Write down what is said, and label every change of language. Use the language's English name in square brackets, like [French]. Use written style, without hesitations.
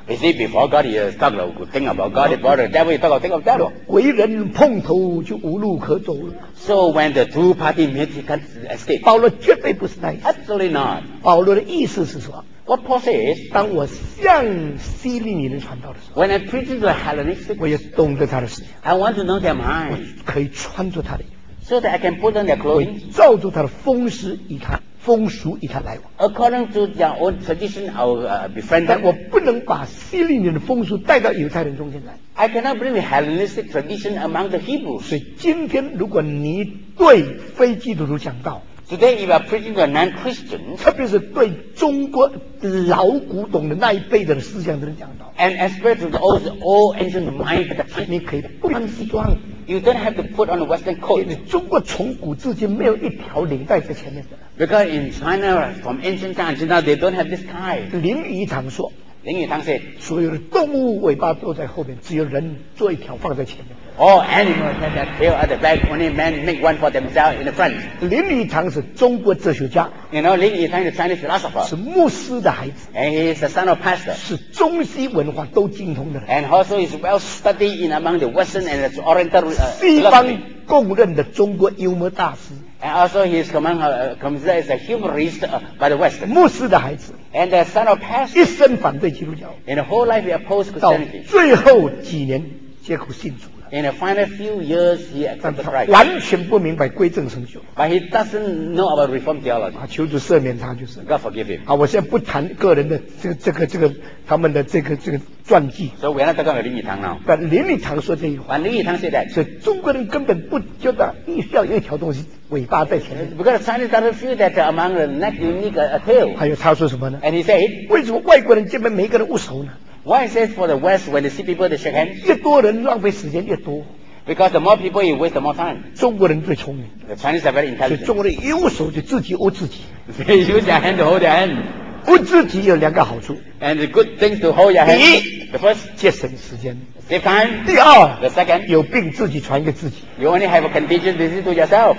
[English] ？He said, before God, he talked a good thing about God. Before the devil, he talked a good thing about devil. [Chinese] 鬼人碰头就无路可走了。 [English] So when the two party meet, he can't escape. [Chinese] 保罗绝对不是那意思。 [English] Absolutely not. [Chinese] 保罗的意思是说。 [English] What Paul says, [Chinese] 当我向希利尼人传道的时候 [English] When I preach to the Hellenists, [Chinese] 我也懂得他的思想 [English] I want to know their mind [Chinese] 我可以穿着他的衣服 [English] So that I can put on their clothing [Chinese] 照着他的风俗与他来往 [English] According to their own tradition, I will befriend them [Chinese] 但我不能把希利尼的风俗带到犹太人中间来 [English] I cannot bring the Hellenistic tradition among the Hebrews [Chinese] 所以今天如果你对非基督徒讲道 [English] Today, if you're preaching to a non-Christian, [Chinese] 特别是对中国老古董的那一辈的思想的人讲道 [English] and especially to those old ancient mind, [Chinese] 你可以不穿西装 [English] you don't have to put on a Western coat. [Chinese] 中国从古至今没有一条领带在前面的 [English] because in China, from ancient times to now, they don't have this tie. [Chinese] 林语堂说， [English] 林语堂 said, [Chinese] 所有的动物尾巴都在后面，只有人做一条放在前面。 [English] All animals have their tail at the back, only men make one for themselves in the front. [Chinese] 林语堂是中国哲学家。 [English] You know, 林语堂 is a Chinese philosopher. [Chinese] 是牧师的孩子。 [English] And he is the son of pastor. [Chinese] 是中西文化都精通的人。 [English] And also is well studied in among the Western and the Oriental, [Chinese] 西方公认的中国幽默大师。 [English] And also he is considered as a humorist by the West. [Chinese] 牧师的孩子。 [English] And the son of pastor. [Chinese] 一生反对基督教。 [English] In the whole life he opposed Christianity. [Chinese] 到最后几年结果信主。 [English] In the final few years, he accepted Christ. [Chinese] 完全不明白归正神学。 [English] But he doesn't know about Reform theology. [Chinese] 啊，求主赦免他就是。 [English] God forgive him. [Chinese] 啊，我现在不谈个人的这个他们的这个传记。 [English] So we're not talking about 林语堂 now. But [Chinese] 林语堂说这句话。 [English] But 林语堂 said that. [Chinese] 所以中国人根本不觉得必须要有一条东西尾巴在前面。 [English] Because Chinese doesn't feel that among the neck you need a tail. [Chinese] 还有他说什么呢 [English] ？And he said, [Chinese] 为什么外国人见面每个人握手呢？ [English] Why is it for the West when they see people they shake hands? [Chinese] 越多人浪费时间越多。 [English] Because the more people you waste the more time. [Chinese] 中国人最聪明。 [English] The Chinese are very intelligent. [Chinese] 所以中国人一握手就自己握自己。 [English] They use their hand to hold their hand. [Chinese] 握自己有两个好处。 [English] And the good thing to hold your hand. [Chinese] 第一 [English] ，the first [Chinese] 节省时间。 [English] Save time. [Chinese] 第二 [English] ，the second [Chinese] 有病自己传给自己。 [English] You only have a contagious disease to yourself.